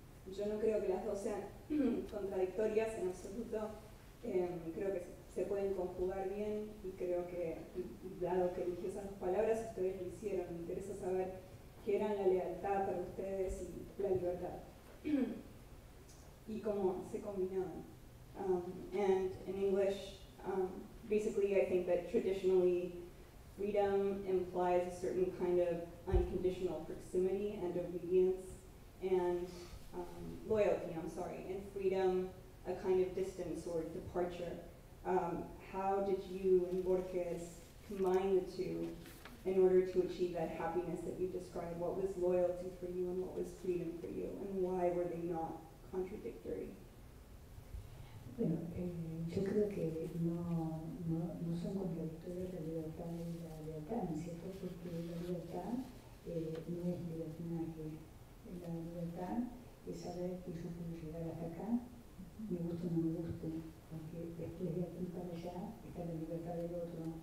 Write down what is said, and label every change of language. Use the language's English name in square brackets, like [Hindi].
[Spanish] Yo no creo que las dos sean contradictorias en absoluto, creo que se pueden conjugar bien, y creo que, dado que eligió esas dos palabras, ustedes lo hicieron. Me interesa saber qué eran la lealtad para ustedes y la libertad, y cómo se combinaban. [English] And in English, basically, I think that traditionally, freedom implies a certain kind of unconditional proximity and obedience, and loyalty, I'm sorry, and freedom, a kind of distance or departure. How did you and Borges combine the two in order to achieve that happiness that you described? What was loyalty for you and what was freedom for you, and why were they not contradictory? [Spanish] Bueno, yo creo que no son contradictorias la libertad y la lealtad, ¿no es cierto? Porque la libertad no es libertinaje. La libertad es saber que yo puedo llegar hasta acá, me guste o no me guste, porque después de aquí para allá está la libertad del otro.